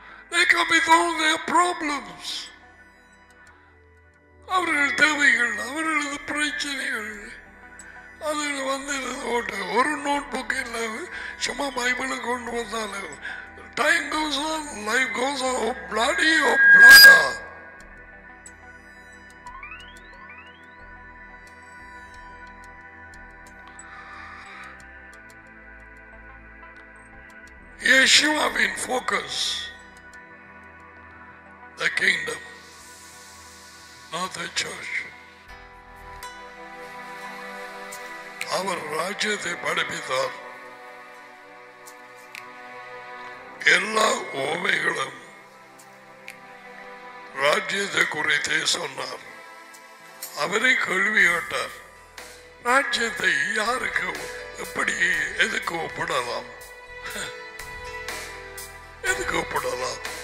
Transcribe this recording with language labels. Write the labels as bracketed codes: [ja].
[en] They come with all their problems. [ta] அவர்கள் தேவைகள், அவர்களது பிரச்சனைகள், அதுகள் வந்து ஒரு நோட் புக் இல்லை, சும்மா பைபிளை கொண்டு வந்தாலும் [en] time goes on, life goes on, [ta] bloody of பிளாடா. யேசுவின் focus [en] the kingdom, not the church. [ta] அவர் ராஜ்யத்தை படிப்பித்தார், எல்லா உவமைகளும் ராஜ்யத்தை குறித்தே சொன்னார். அவரை கேள்வி கேட்டார், ராஜ்யத்தை யாருக்கு எப்படி எதுக்கு ஒப்பிடலாம், எதுக்கு ஒப்பிடலாம்?